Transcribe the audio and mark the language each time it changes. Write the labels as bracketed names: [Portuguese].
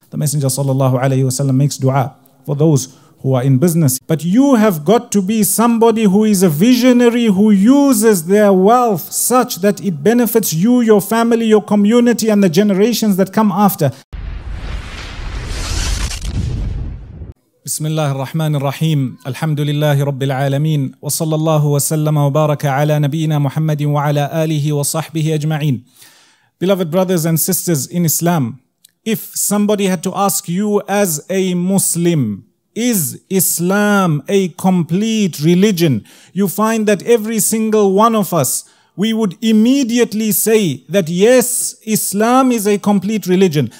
[English] The Messenger sallallahu alayhi wa sallam makes dua for those who are in business. But you have got to be somebody who is a visionary, who uses their wealth such that it benefits you, your family, your community, and the generations that come after. [Arabic] بسم الله الرحمن الرحيم الحمد لله رب العالمين وصلى الله وسلم وبارك على نبينا محمد وعلى آله وصحبه أجمعين. [English] Beloved brothers and sisters in Islam, if somebody had to ask you as a Muslim, is Islam a complete religion? You find that every single one of us, we would immediately say that yes, Islam is a complete religion.